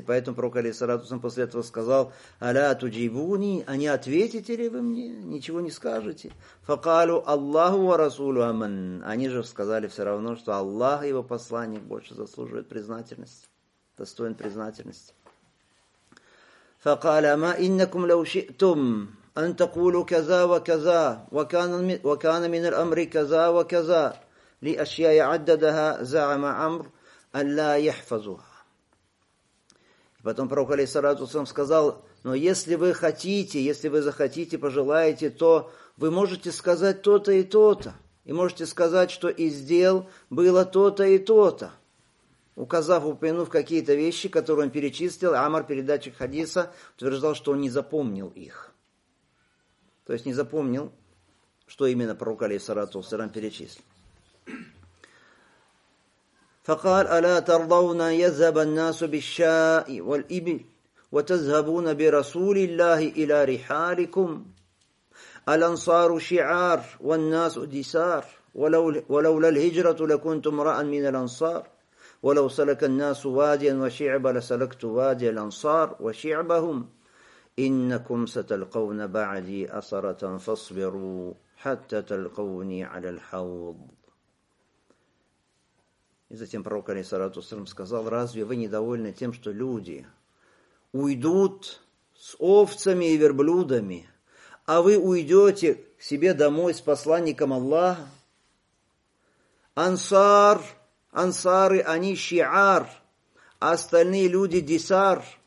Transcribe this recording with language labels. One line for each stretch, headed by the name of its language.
Russian: Поэтому пророк алейхиссалату вассалям после этого сказал:
Arabic: «Аля туджибуни»,
Russian: а не ответите ли вы мне, ничего не скажете.
Arabic: «Факалю Аллаху, Расулю, Амин».
Russian: Они же сказали все равно, что Аллах, его посланник, больше заслуживает признательности, достоин признательности.
Arabic: فقال ما إنكم لو شئتم أن تقولوا كذا وكذا وكان من الأمر كذا وكذا لأشياء عددها زعم عمرو أن لا يحفظها.
Russian: Потом пророк алейхиссалату вассалям сказал: но если вы хотите, если вы захотите, пожелаете, то вы можете сказать то-то и то-то, и можете сказать, что из дел было то-то и то-то. Указав, упомянув какие-то вещи, которые он перечислил, Амар, передатчик хадиса, утверждал, что он не запомнил их. То есть не запомнил, что именно пророк алейхиссалату вассалям перечислил.
Arabic: Факал аля тардауна язхаба ан-насу биш-шаи валь-ибль ва тазхабуна би расулиллахи иля рихаликум аль-ансару шиар ван-насу дисар ва лаула аль-хиджрату лакунтум раан мин аль-ансар. ولو سلك الناس واديا وشعبا لسلكت وادي الانصار وشعبهم انكم ستلقون بعدي اثره فاصبروا حتى تلقوني على الحوض.
Russian: И затем пророк алейхиссалату вассалям сказал: разве вы недовольны тем, что люди уйдут с овцами и верблюдами, а вы уйдете к себе домой с посланником Аллаха? Ансар, ансары, они шиар, а остальные люди дисар.